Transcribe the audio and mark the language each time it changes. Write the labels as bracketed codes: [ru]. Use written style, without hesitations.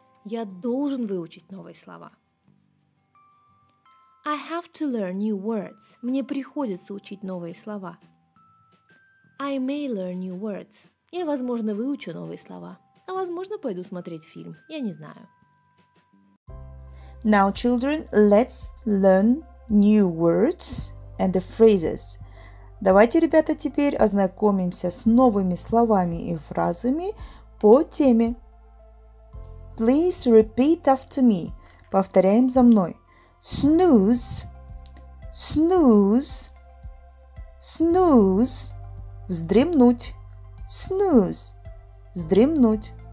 [ru] Я должен выучить новые слова. [en] I have to learn new words. [ru] Мне приходится учить новые слова. [en] I may learn new words. [ru] Я, возможно, выучу новые слова. А, возможно, пойду смотреть фильм. Я не знаю. [en] Now, children, let's learn new words and the phrases. [ru] Давайте, ребята, теперь ознакомимся с новыми словами и фразами по теме. [en] Please repeat after me. [ru] Повторяем за мной. [en] Snooze. Snooze. Snooze. Вздремнуть. Snooze. Вздремнуть.